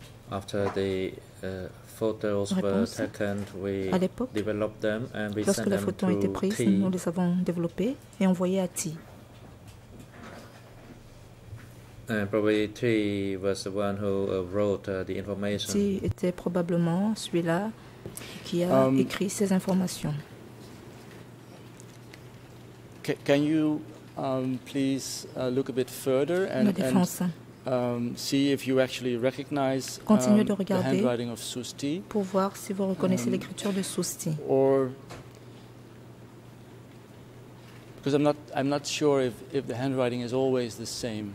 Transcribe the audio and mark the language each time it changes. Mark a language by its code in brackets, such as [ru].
[en] After the photos were taken, we developed them and we sent them to T. [fr] Nous les avons développées et envoyées à T. [en] Probably T was the one who wrote the information. [fr] T était probablement celui-là qui a écrit ces informations. [en] Can you please look a bit further and see if you actually recognize [fr] continuez de regarder [en] the handwriting of Sousty, [fr] pour voir si vous reconnaissez l'écriture de Sousty. [en] Or because I'm not sure if the handwriting is always the same.